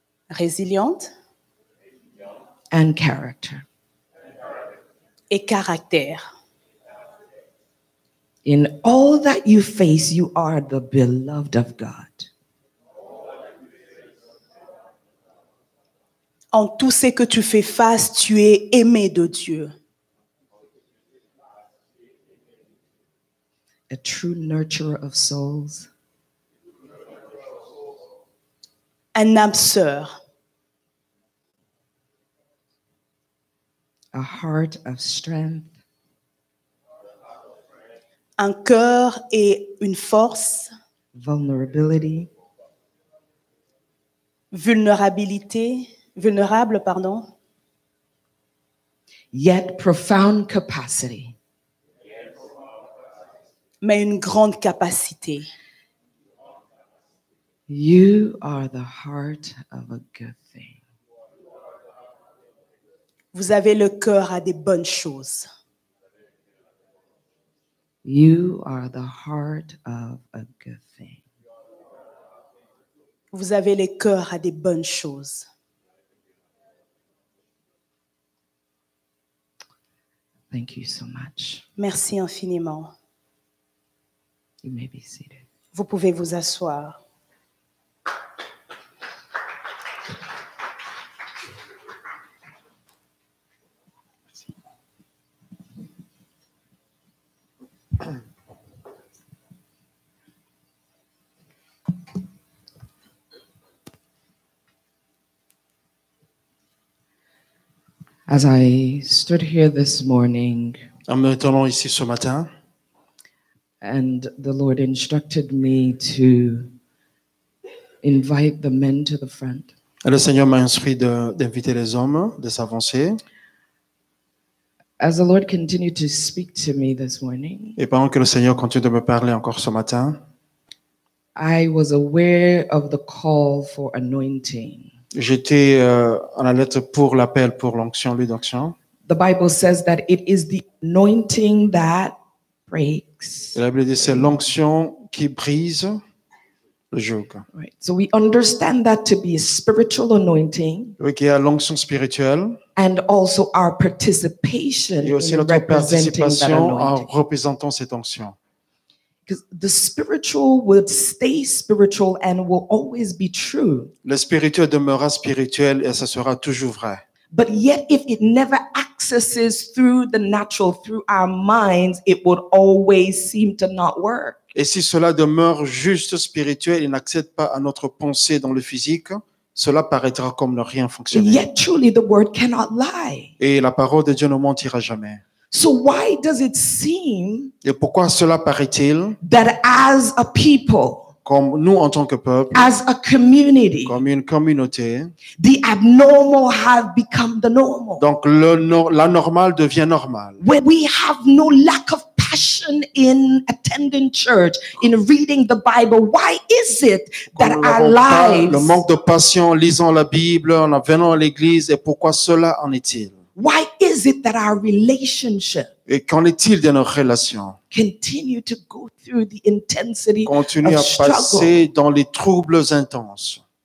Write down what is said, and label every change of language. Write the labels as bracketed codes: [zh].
[fr] Résiliente. [en] And character. [fr] Et caractère. [en] In all that you face, you are the beloved of God. [fr] En tout ce que tu fais face, tu es aimé de Dieu. [en] A true nurturer of souls. [fr] Un âme sœur. [en] A heart of strength. [fr] Un cœur et une force. [en] Vulnerability. [fr] Vulnérabilité. Vulnérable, pardon. [en] Yet profound capacity. [fr] Mais une grande capacité. [en] You are the heart of a good thing. [fr] Vous avez le cœur à des bonnes choses. [en] You are the heart of a good thing. [fr] Vous avez le cœur à des bonnes choses. [en] Thank you so much. [fr] Merci infiniment. [en] You may be seated. [fr] Vous pouvez vous asseoir. [en] As I stood here this morning, [fr] en me tenant ici ce matin, [en] and the Lord instructed me to invite the men to the front. [fr] Et le Seigneur m'a instruit d'inviter les hommes de s'avancer. [en] As the Lord continued to speak to me this morning, [fr] et pendant que le Seigneur continue de me parler encore ce matin, [en] I was aware of the call for anointing. [fr] J'étais en alerte pour l'appel pour l'onction, l'huile d'onction. [en] The Bible says that it is the anointing that breaks. [fr] La Bible dit c'est l'onction qui brise le joug. [en] Right. So we understand that to be a spiritual anointing. [fr] Donc il y a l'onction spirituelle. [en] And also our participation. [fr] Et aussi notre participation en représentant cette onction. [en] Because the spiritual will stay spiritual and will always be true. [fr] Le spirituel demeurera spirituel et ça sera toujours vrai. [en] But yet if it never accesses through the natural, through our minds, it would always seem to not work. [fr] Et si cela demeure juste spirituel et n'accède pas à notre pensée dans le physique, cela paraîtra comme ne rien fonctionner. [en] Yet truly the word cannot lie. [fr] Et la parole de Dieu ne mentira jamais. [en] So why does it seem [fr] et pourquoi cela paraît-il [en] that as a people, [fr] comme nous en tant que peuple, [en] as a community, [fr] comme une communauté, [en] the abnormal have become the normal. [fr] Donc la normale devient normale. [en] Where we have no lack of passion in attending church, in reading the Bible, why is it that our lives, [fr] le manque de passion en lisant la Bible, en venant à l'église, et pourquoi cela en est-il? [en] Why is it that our relationship [fr] et qu'en est-il de nos relations [en] continue to go through the intensity [fr] continue [en] of [fr] à passer [en] struggle, [fr] dans les troubles intenses?